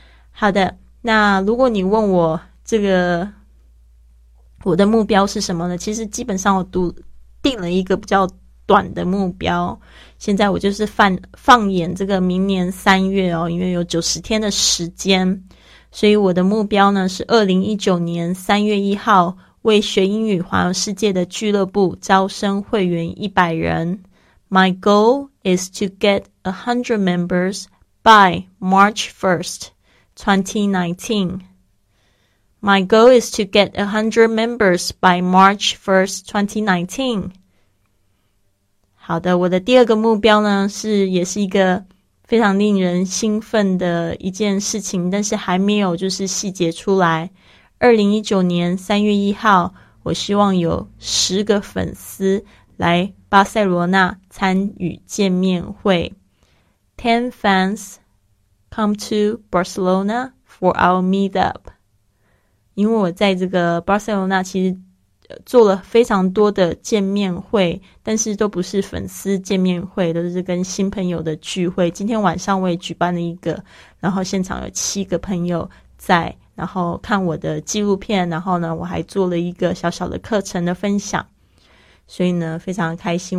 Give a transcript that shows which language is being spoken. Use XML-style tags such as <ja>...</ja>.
<zh>好的，那如果你问我这个我的目标是什么呢，其实基本上我定了一个比较短的目标，现在我就是放眼这个明年三月哦，因为有90天的时间，所以我的目标呢是2019年3月1号为学英语环游世界的俱乐部招生会员100人。</zh> <en>My goal is to get 100 members by March 1st, 2019. My goal is to get 100 members by March 1st, 2019.</en> <zh>好的，我的第二个目标呢，也是一个非常令人兴奋的一件事情，但是还没有就是细节出来。 2019年3月1号，我希望有10个粉丝来巴塞罗那参与见面会。</zh> <en>10 fans come to Barcelona for our meetup.</en> <zh>因为我在这个巴塞罗那其实做了非常多的见面会，但是都不是粉丝见面会，都是跟新朋友的聚会。今天晚上我也举办了一个，然后现场有七个朋友在，然后看我的纪录片，然后呢我还做了一个小小的课程的分享，所以呢非常开心。</zh>